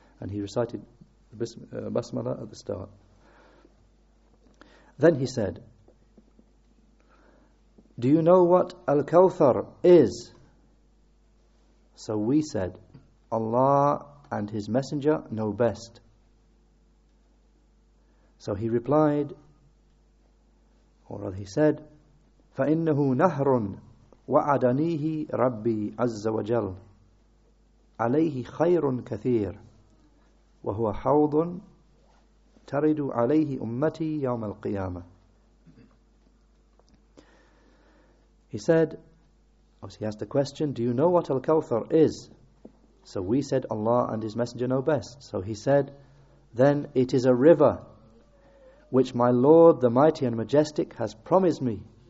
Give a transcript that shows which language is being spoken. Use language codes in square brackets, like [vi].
[en] And he recited Basmala at the start. Then he said, do you know what Al-Kawthar is? So we said, Allah and His Messenger know best. So he replied, or rather he said, [ar] فَإِنَّهُ نَهْرٌ وَعَدَنِيهِ رَبِّي عَزَّ وَجَلْ عَلَيْهِ خَيْرٌ كَثِيرٌ وَهُوَ حَوْضٌ تَرِدُ عَلَيْهِ أُمَّتِي يَوْمَ الْقِيَامَةِ. [en] He said, he asked the question, do you know what Al-Kawthar is? So we said, Allah and His Messenger know best. So he said, then it is a river which my Lord the Mighty and Majestic has promised me.